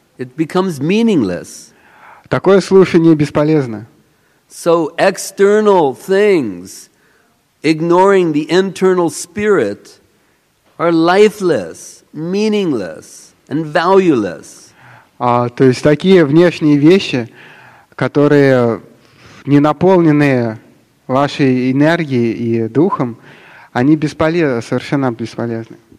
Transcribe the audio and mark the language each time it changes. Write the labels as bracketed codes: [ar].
[en] It becomes meaningless. [ru] Такое слушание бесполезно. [en] So external things, ignoring the internal spirit, are lifeless, meaningless, and valueless. [ru] То есть такие внешние вещи, которые не наполненные вашей энергией и духом, они бесполезны, совершенно бесполезны.